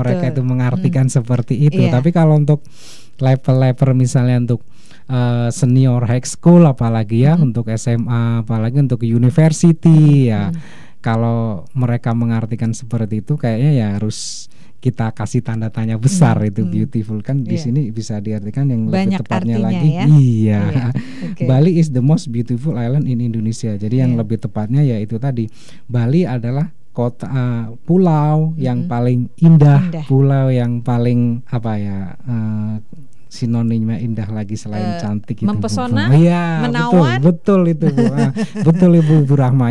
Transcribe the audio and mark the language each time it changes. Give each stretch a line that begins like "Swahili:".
Indonesian: Mereka itu mengartikan seperti itu. Yeah. Tapi kalau untuk level-level misalnya untuk senior high school apalagi ya, untuk SMA apalagi untuk university ya, kalau mereka mengartikan seperti itu kayaknya ya harus kita kasih tanda tanya besar. Itu beautiful kan di sini bisa diartikan yang banyak lebih tepatnya lagi ya? Iya. Okay.
English: Bali is the most beautiful island in Indonesia.
Indonesian: Jadi yang lebih tepatnya ya itu tadi, Bali adalah kota pulau yang paling indah, pulau yang paling apa ya, sinonimnya indah lagi selain cantik itu mempesona, ya, menawan. Betul, betul itu Bu. Betul Ibu Bu Rahma.